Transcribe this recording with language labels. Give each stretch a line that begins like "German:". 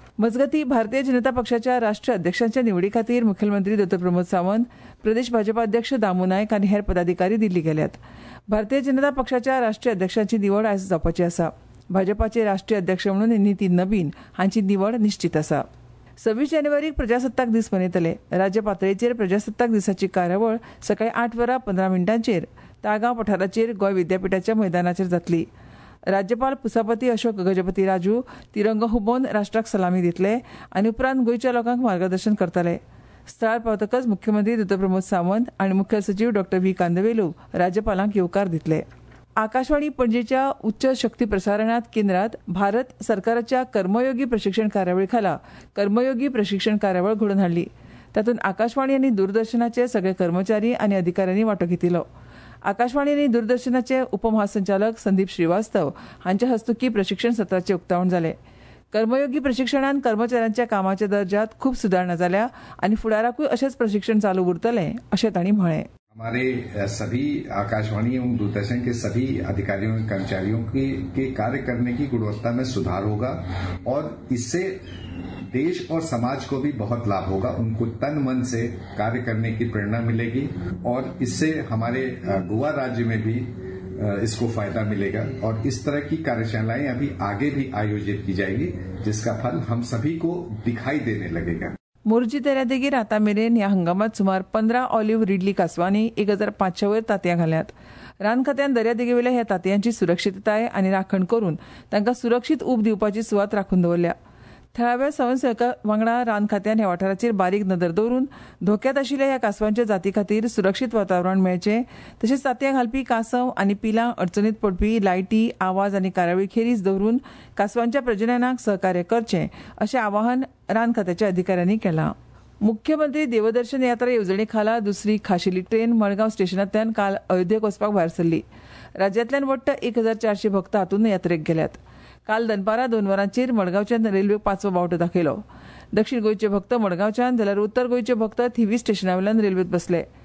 Goan Konkani: मजगती भारतीय जनता पक्षाच्या राष्ट्रीय अध्यक्षांच्या निवडी खातीर मुख्यमंत्री दोतर प्रमोद सावंत, प्रदेश भाजपा अध्यक्ष दामू नायक आणि हेर पदाधिकारी दिल्ली गेल्यात. भारतीय जनता पक्षाच्या राष्ट्रीय अध्यक्षांची निवड आज जावपाची आसा. भाजपाचे राष्ट्रीय अध्यक्ष म्हणून नितीन नवीन हांची निवड निश्चित आसा. 26 जानेवारीक प्रजासत्ताक दीस मनयतले. राज्य पातळीचेर प्रजासत्ताक दिसाची कार्यावळ सकाळी 8:15 ताळगांव पठाराचेर गोंय विद्यापीठाच्या मैदानाचेर जातली. राज्यपाल कुलपती अशोक गजपती राजू तिरंगो हुबोवन राष्ट्राक सलामी दितले आनी उपरांत गोंयच्या लोकांक मार्गदर्शन करतले. स्थळार पावतकच मुख्यमंत्री दोतर प्रमोद सावंत आनी मुखेल सचिव डॉ व्ही कांदवेलू राज्यपालांक येवकार दितले. आकाशवाणी पणजेच्या उच्च शक्ती प्रसारणात केंद्रात भारत सरकारच्या कर्मयोगी प्रशिक्षण कार्यावळी खाला कर्मयोगी प्रशिक्षण कार्यावळ घडून हाडली. तातूंत आकाशवाणी आनी दूरदर्शनाचे सगळे कर्मचारी आनी अधिकाऱ्यांनी वांटो घेतिल्लो. आकाशवाणी आनी दूरदर्शनाचे उपमहासंचालक संदीप श्रीवास्तव हांच्या हस्तुकी प्रशिक्षण सत्राचे उक्तावण जाले. कर्मयोगी प्रशिक्षणान कर्मचाऱ्यांच्या कामाच्या दर्जात खूप सुधारणा झाल्या आनी फुडाराकूय अशेच प्रशिक्षण चालू उरतले अशें तांणी म्हळें.
Hindi: हमारे सभी आकाशवाणी एवं दूरदर्शन के सभी अधिकारियों और कर्मचारियों के कार्य करने की गुणवत्ता में सुधार होगा और इससे देश और समाज को भी बहुत लाभ होगा. उनको तन मन से कार्य करने की प्रेरणा मिलेगी और इससे हमारे गोवा राज्य में भी इसको फायदा मिलेगा और इस तरह की कार्यशालाएं अभी आगे भी आयोजित की जाएगी जिसका फल हम सभी को दिखाई देने लगेगा.
Goan Konkani: मोरजी दर्या देगीर आता मेरेन ह्या हंगामात सुमार 15 ऑलिव्ह रिडली कासवांनी 1500 वयर तांतयां घाल्यात. रान खात्यान दर्या देगे वेल्या ह्या तांतयांची सुरक्षितताय आनी राखण करून तांकां सुरक्षीत उब दिवपाची सुवात राखून दवरल्या. थळाव्या स्वयंसेवका वांगडा रान खात्यान ह्या वाठाराचेर बारीक नदर दवरून धोक्यात आशिल्ल्या ह्या कासवांच्या जाती खातीर सुरक्षीत वातावरण मेळचे तशेंच तांतयां घालपी कासव आनी पिलां अडचणीत पडपी लायटी आवाज आनी कार्यावळी खेरीज दवरून कासवांच्या प्रजननाक सहकार्य करचें अशें आवाहन रान खात्याच्या अधिकाऱ्यांनी केलां. मुख्यमंत्री देवदर्शन यात्रा येवजणे खाला दुसरी खाशेली ट्रेन मडगांव स्टेशनांतल्यान काल अयोध्येक वचपाक भायर सरली. राज्यांतल्यान वट्ट 1400 भक्त हातूंत यात्रेक गेल्यात. काल दनपारा 2 वरांचेर मडगांवच्यान रेल्वे 5वो बावटो दाखयलो. दक्षिण गोंयचे भक्त मडगांवच्यान जाल्यार उत्तर गोंयचे भक्त थिवी स्टेशनावेल्यान रेल्वेत बसले.